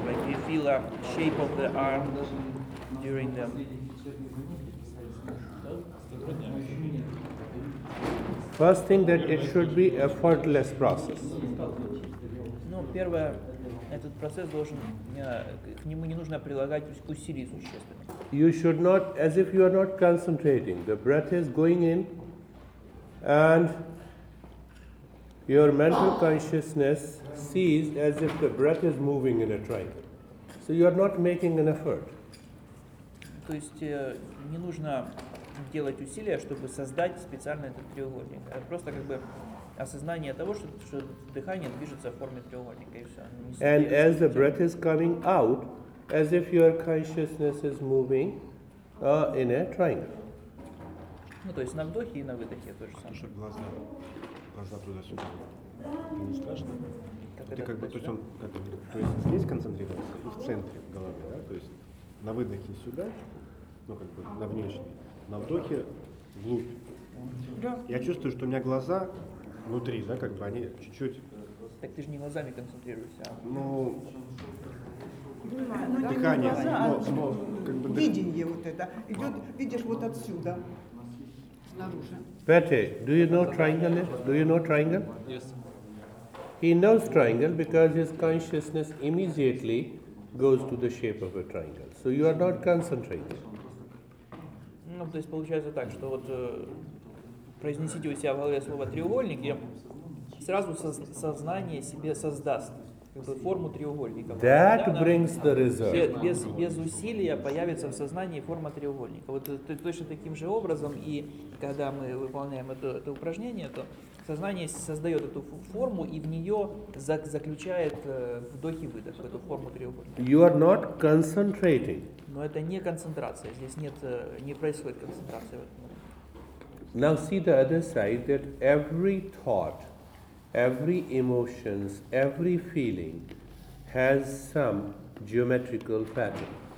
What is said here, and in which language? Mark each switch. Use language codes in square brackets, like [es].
[en] Like you feel a shape of the arm during them? First thing that it should be effortless process. [ru] No, первое, этот процесс должен к нему не нужно прилагать усилий существенных. [en] You should not, as if you are not concentrating. The breath is going in, and your mental consciousness sees as if the breath is moving in a triangle. So you are not making an effort. [ru] То есть не нужно делать усилия, чтобы создать специально этот треугольник. Просто как бы осознание того, что дыхание движется в форме треугольника и все. And as the breath is coming out. As if your consciousness is moving in a triangle. Ну, то есть на вдохе и на выдохе то же самое. Слушай, глаза туда-сюда. Не страшно? Ты как бы, то есть здесь концентрируется и в центре головы, да? То есть на выдохе сюда, ну, как бы на внешний, на вдохе вглубь. Да. Я чувствую, что у меня глаза внутри, да, как бы они чуть-чуть... Так ты же не глазами концентрируешься, а... Ну... Ну, дыхание, глаза, но как бы видение вот это идет, видишь вот отсюда снаружи. [en] Petty, do you know triangle? Do you know triangle? Yes. He knows triangle because his consciousness immediately goes to the shape of a triangle. So you are not concentrating. [ru] Ну, то есть получается так, что вот произнесите у себя в голове слово треугольник, и сразу сознание себе создаст. Форму треугольника. [en] That brings the result. [ru] Без усилия появится в сознании форма треугольника. Вот точно таким же образом, и когда мы выполняем это упражнение, то сознание создает эту форму и в нее заключает вдох и выдох, эту форму треугольника. [en] You are not concentrating. [ru] Но это не концентрация. Здесь нет, не происходит концентрация. [en] Now see the other side, that every thought, every emotions, every feeling has some geometrical pattern.